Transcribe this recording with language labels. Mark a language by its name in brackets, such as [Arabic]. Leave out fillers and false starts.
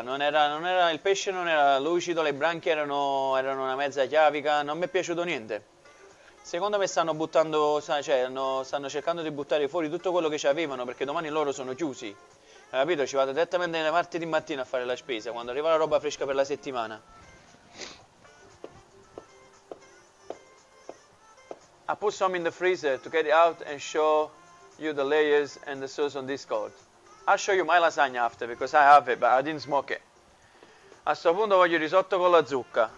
[Italian] Non era il pesce, non era lucido, le branchie erano una mezza chiavica, non mi è piaciuto niente. Secondo me stanno buttando, cioè, stanno cercando di buttare fuori tutto quello che c'avevano, perché domani loro sono chiusi. Hai capito? Ci vado direttamente nel martedì mattina a fare la spesa, quando arriva la roba fresca per la settimana. [English] I put some in the freezer to get it out and show you the layers and the sauce on Discord. I'll show you my lasagna after, because I have it, but I didn't smoke it. [Italian] A sto punto voglio risotto con la zucca.